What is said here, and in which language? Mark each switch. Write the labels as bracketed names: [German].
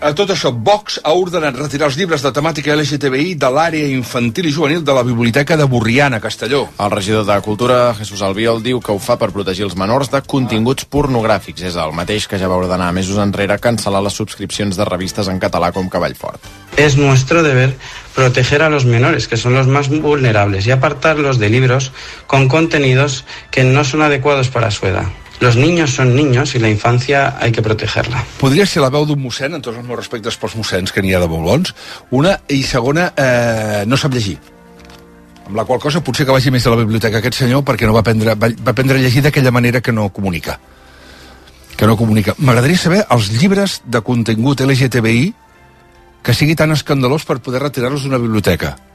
[Catalan] A tot això, Vox ha ordenat retirar els llibres de temàtica LGTBI de l'àrea infantil i juvenil de la Biblioteca de Borriana, a Castelló. El regidor de Cultura, Jesús Albiol, diu que ho fa per protegir els menors de continguts pornogràfics. És el mateix que ja va ordenar mesos enrere cancel·lar les subscripcions de revistes en català com Cavall Fort. [Spanish] Es nuestro deber proteger a los menores, que son los más vulnerables, y apartarlos de libros con contenidos que no son adecuados para su edad. Los niños son niños y la infancia hay que protegerla. [Catalan] Podria ser la veu d'un mossèn, en tots els meus respectes pels mossèns que n'hi ha de bolons. Una, i segona, no sap llegir. Amb la qual cosa potser que vagi més a la biblioteca aquest senyor, perquè no va aprendre a llegir d'aquella manera que no comunica. Que no comunica. M'agradaria saber els llibres de contingut LGTBI que sigui tan escandalós per poder retirar-los d'una biblioteca.